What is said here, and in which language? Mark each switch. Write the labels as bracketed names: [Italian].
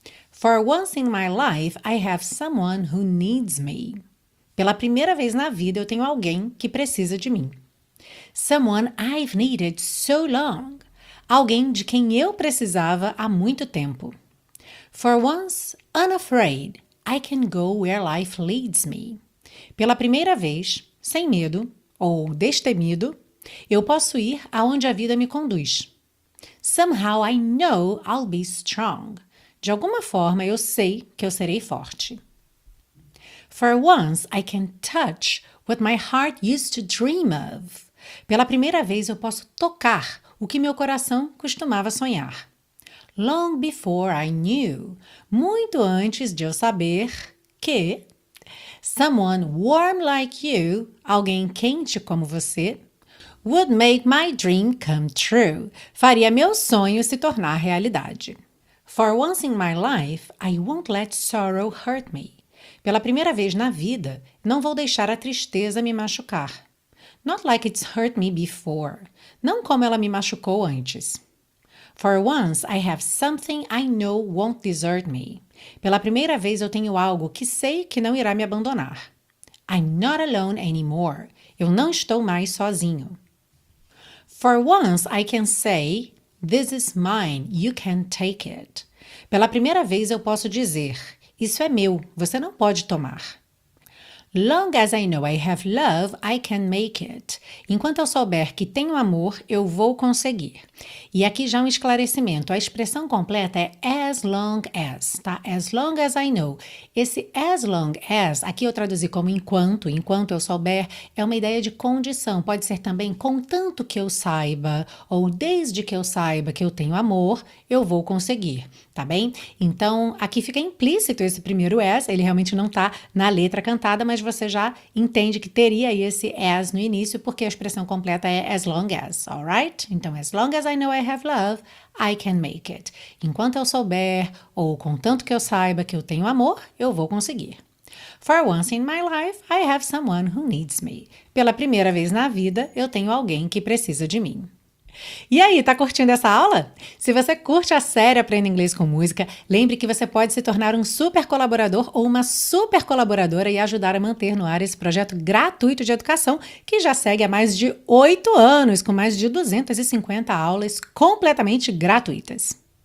[English] For once in my life, I have someone who needs me. [Portuguese] Pela primeira vez na vida, eu tenho alguém que precisa de mim. [English] Someone I've needed so long. [Portuguese] Alguém de quem eu precisava há muito tempo. [English] For once, unafraid, I can go where life leads me. [Portuguese] Pela primeira vez, sem medo ou destemido, eu posso ir aonde a vida me conduz. [English] Somehow I know I'll be strong. [Portuguese] De alguma forma, eu sei que eu serei forte. [English] For once, I can touch what my heart used to dream of. [Portuguese] Pela primeira vez, eu posso tocar o que meu coração costumava sonhar. [English] Long before I knew, [Portuguese] muito antes de eu saber que [English] someone warm like you, [Portuguese] alguém quente como você, [English] would make my dream come true, [Portuguese] faria meu sonho se tornar realidade. [English] For once in my life, I won't let sorrow hurt me. [Portuguese] Pela primeira vez na vida, não vou deixar a tristeza me machucar. [English] Not like it's hurt me before. [Portuguese] Não como ela me machucou antes. [English] For once, I have something I know won't desert me. [Portuguese] Pela primeira vez, eu tenho algo que sei que não irá me abandonar. [English] I'm not alone anymore. [Portuguese] Eu não estou mais sozinho. [English] For once, I can say, this is mine, you can take it. [Portuguese] Pela primeira vez eu posso dizer, isso é meu, você não pode tomar. [English] Long as I know I have love, I can make it. [Portuguese] Enquanto eu souber que tenho amor, eu vou conseguir. E aqui já um esclarecimento, a expressão completa é [English] as long as, [Portuguese] tá? [English] As long as I know. [Portuguese] Esse [English] as long as, [Portuguese] aqui eu traduzi como enquanto eu souber, é uma ideia de condição. Pode ser também contanto que eu saiba, ou desde que eu saiba que eu tenho amor, eu vou conseguir, tá bem? Então, aqui fica implícito esse primeiro as, ele realmente não tá na letra cantada, mas você já entende que teria aí esse as no início, porque a expressão completa é [English] as long as, alright? Então, as long as I know I have love, I can make it. [Portuguese] Enquanto eu souber, ou contanto que eu saiba que eu tenho amor, eu vou conseguir. [English] For once in my life, I have someone who needs me. [Portuguese] Pela primeira vez na vida, eu tenho alguém que precisa de mim. E aí, tá curtindo essa aula? Se você curte a série Aprenda Inglês com Música, lembre que você pode se tornar um super colaborador ou uma super colaboradora e ajudar a manter no ar esse projeto gratuito de educação que já segue há mais de 8 anos, com mais de 250 aulas completamente gratuitas.